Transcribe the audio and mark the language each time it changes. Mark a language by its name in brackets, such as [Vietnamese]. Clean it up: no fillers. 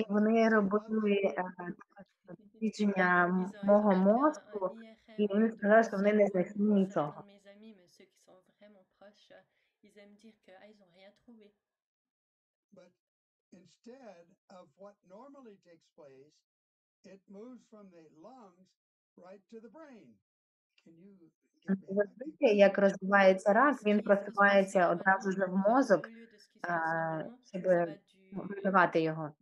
[Ukrainian] І вони робили дослідження мого мозку, і вони сказали, що вони не знайшли нічого. [French] Mes amis, mais ceux qui sont vraiment proches, ils aiment dire que ils ont rien trouvé. [English] But instead of what normally takes place, it moves from the lungs right to the brain. Can you [Ukrainian] зрозуміти, як розвивається рак? Він просувається одразу вже в мозок, щоб вибивати його.